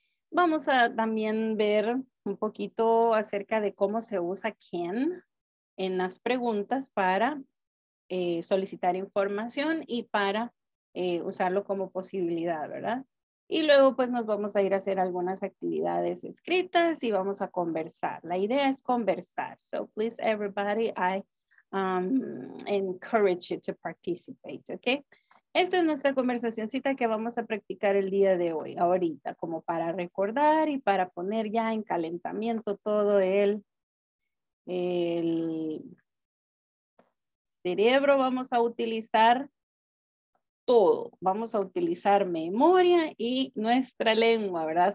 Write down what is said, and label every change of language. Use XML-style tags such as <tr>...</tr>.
<es>Vamos a también ver un poquito acerca de cómo se usa can en las preguntas para solicitar información y para usarlo como posibilidad, ¿verdad? Y luego pues nos vamos a ir a hacer algunas actividades escritas y vamos a conversar. La idea es conversar.</es> <en>So please everybody, I encourage you to participate, okay?</en> <es>Esta es nuestra conversacioncita que vamos a practicar el día de hoy, ahorita, como para recordar y para poner ya en calentamiento todo el cerebro. Vamos a utilizar todo. Vamos a utilizar memoria y nuestra lengua, ¿verdad?</es>